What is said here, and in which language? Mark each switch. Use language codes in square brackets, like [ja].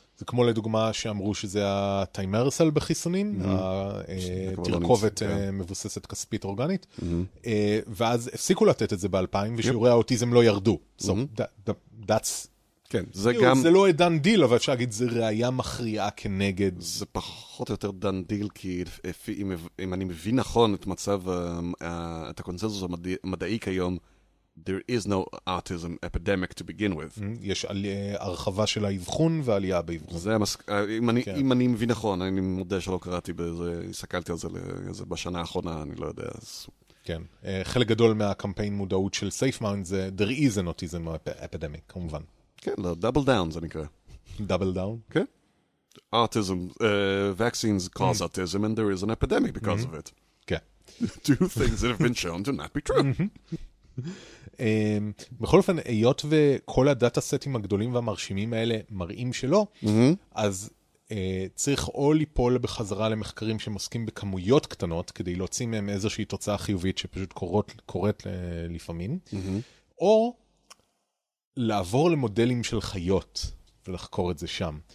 [he] זה כמו לדוגמה שאמרו שזה הטיימרסל בחיסונים, התרכובת מבוססת כספית אורגנית, ואז הפסיקו לתת את זה ב-2000, ושיעורי האוטיזם לא ירדו. [en] So, that's... [he] כן, זה גם... זה לא דן דיל, אבל אפשר להגיד, זה ראייה מכריעה כנגד... זה פחות או יותר דן דיל, כי אם אני מבין נכון את מצב, את הקונצנזוס המדעי כיום, [en] there is no autism epidemic to begin with. [he] יש הרחבה של האבחון ועלייה באבחון. זה אם אני מבין נכון, אני מודה שלא קראתי בזה, הסתכלתי על זה בשנה האחרונה, אני לא יודע. כן, חלק גדול מהקמפיין מודעות של SafeMind זה [en] there is an autism epidemic, [he] כמובן. כן, לא, double down זה נקרא. [en] Double down? [he] כן. [en] Autism, vaccines cause autism and there is an epidemic because of it. [he] כן. [en] Two things that have been shown to not be true. [he] בכל אופן, היות וכל הדאטה סטים הגדולים והמרשימים האלה מראים שלא, אז צריך או ליפול בחזרה למחקרים שמוסקים בכמויות קטנות, כדי להוציא מהם איזושהי תוצאה חיובית שפשוט קורית לפעמים, או לעבור למודלים של חיות ולחקור את זה שם.